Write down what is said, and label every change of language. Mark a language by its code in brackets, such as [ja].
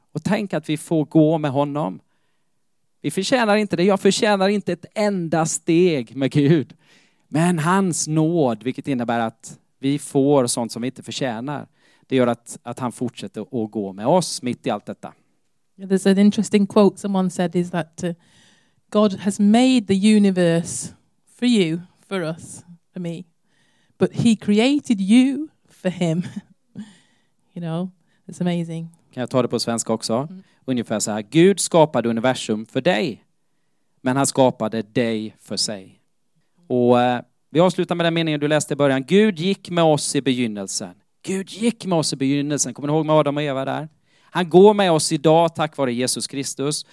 [sv] Och tänk att vi får gå med honom. Vi förtjänar inte det. Jag förtjänar inte ett enda steg med Gud. Men hans nåd, vilket innebär att vi får sånt som vi inte förtjänar. Det gör att han fortsätter att gå med oss mitt i allt detta. [en] Yeah, there's an interesting quote someone said is that God has made the universe... for you, for us, for me. But he created you for him. You know, it's amazing. [sv] Kan jag ta det på svenska också? Ungefär så här. Gud skapade universum för dig. Men han skapade dig för sig. Och vi avslutar med den meningen du läste i början. Gud gick med oss i begynnelsen. Gud gick med oss i begynnelsen. Kommer ni ihåg med Adam och Eva där? Han går med oss idag tack vare Jesus Kristus.